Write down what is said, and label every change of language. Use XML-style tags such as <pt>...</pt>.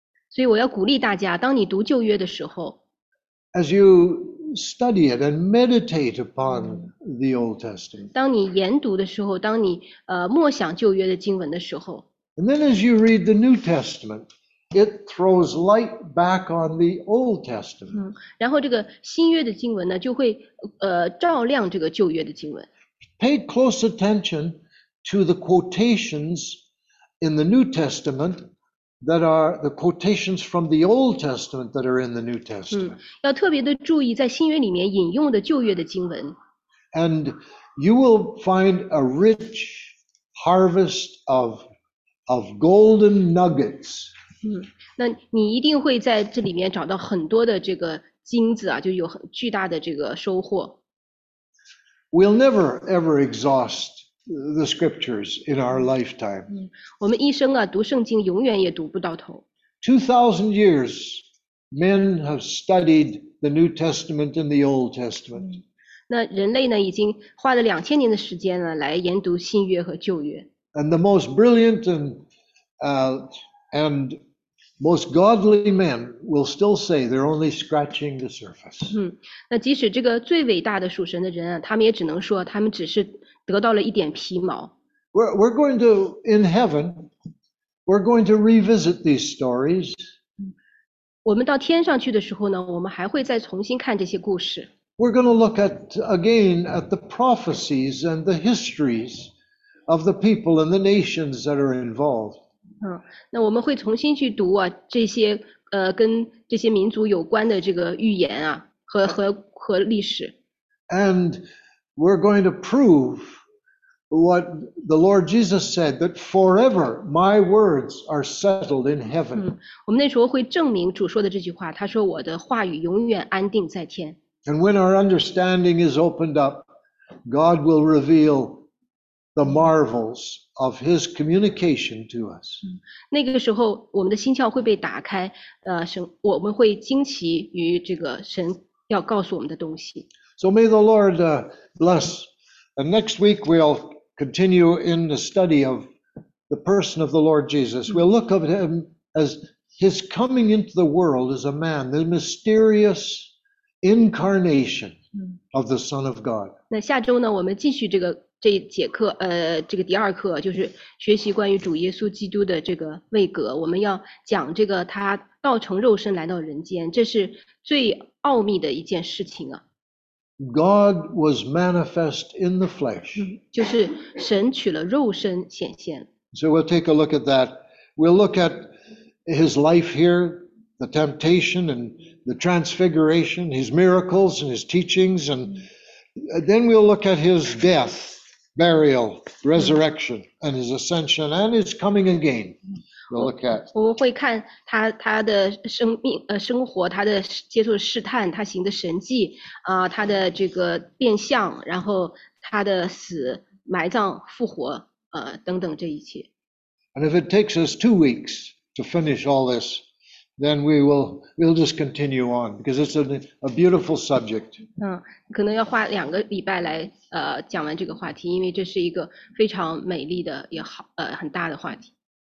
<zh>所以我要鼓励大家，当你读旧约的时候。</zh> <en>As you study it and meditate upon the Old Testament.</en> <zh>当你研读的时候，当你默想旧约的经文的时候。</zh> <en>And then as you read the New Testament, it throws light back on the Old Testament.</en> <zh>然后这个新约的经文呢，就会照亮这个旧约的经文。</zh> <en>Pay close attention to the quotations in the New Testament. That are the quotations from the Old Testament that are in the New Testament.</en> <zh>要特别的注意在新约里面引用的旧约的经文。</zh> <en>And you will find a rich harvest of golden nuggets.</en> <zh>那你一定会在这里面找到很多的这个金子啊，就有很巨大的这个收获。</zh> <en>We'll never ever exhaust. The scriptures in our lifetime.</en> <zh>我们一生啊，读圣经永远也读不到头。</zh> <en>2,000 years, men have studied the New Testament and the Old Testament.</en> <zh>那人类呢，已经花了2000年的时间呢，来研读新约和旧约。</zh> <en>And the most brilliant and most godly men will still say they're only scratching the surface.</en> <zh>那即使这个最伟大的属神的人啊，他们也只能说他们只是。得到了一点皮毛。</zh> <en>We're going to, in heaven, we're going to revisit these stories.</en> <zh>我们到天上去的时候呢，我们还会再重新看这些故事。</zh> <en>We're going to look at, again, at the prophecies and the histories of the people and the nations that are involved.</en> <zh>那我们会重新去读啊，这些跟这些民族有关的这个预言啊，和历史。</zh> <en>And,We're going to prove what the Lord Jesus said, that forever my words are settled in heaven.</en> <zh>我们那时候会证明主说的这句话，他说我的话语永远安定在天。</zh> <en>And when our understanding is opened up, God will reveal the marvels of his communication to us.</en> <zh>那个时候我们的心窍会被打开，我们会惊奇于这个神要告诉我们的东西。</zh> <en>So may the Lord bless. And next week we'll continue in the study of the person of the Lord Jesus. We'll look at him as his coming into the world as a man, the mysterious incarnation of the Son of God.</en> <zh>那下周呢，我们继续这节课，这个第二课就是学习关于主耶稣基督的这个位格。我们要讲这个他道成肉身来到人间，这是最奥秘的一件事情啊。</zh> <en>God was manifest in the flesh.</en> <zh>就是神取了肉身显现。</zh> <en>So we'll take a look at that. We'll look at his life here, the temptation and the transfiguration, his miracles and his teachings, and then we'll look at his death, burial, resurrection, and his ascension and his coming again. We'll look at.</en> <zh>我们会看他的生命生活，他的接受试探，他行的神迹他的这个变相，然后他的死、埋葬、复活等等这一切。</zh> <en>And if it takes us 2 weeks to finish all this, then we'll just continue on because it's a beautiful subject.</en> <zh>可能要花2个礼拜来讲完这个话题，因为这是一个非常美丽的也好很大的话题。</zh>